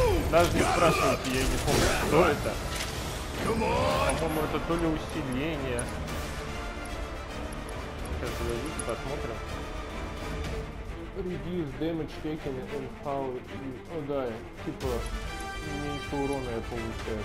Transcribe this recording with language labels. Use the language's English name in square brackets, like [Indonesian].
[Russian] Даже не спрашивайте, я не помню, что это. По-моему, это то ли усиление. Сейчас подождите, посмотрим. [English] Reduce damage taken and how you... [Russian] О, да, типа, меньше урона я получаю.